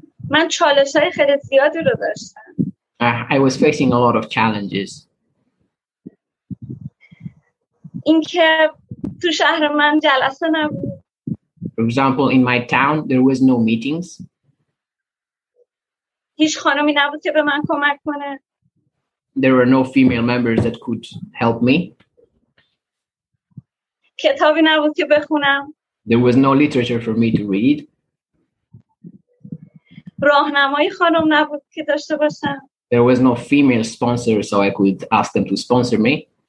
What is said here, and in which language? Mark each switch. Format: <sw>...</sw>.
<fa>من چالش های خیلی زیادی رو داشتم.</fa> <en>I was facing a lot of challenges.</en> <fa>اینکه تو شهر من جلسه نبود.</fa> <en>For example, in my town there was no meetings.</en> <fa>هیچ خانمی نبود که به من کمک کنه.</fa> <en>There were no female members that could help me.</en> <fa>کتابی نبود که بخونم.</fa> <en>There was no literature for me to read.</en> <fa>راهنمایی خانم نبود که داشته باشم.</fa> <en>There was no female sponsor so I could ask them to sponsor me.</en>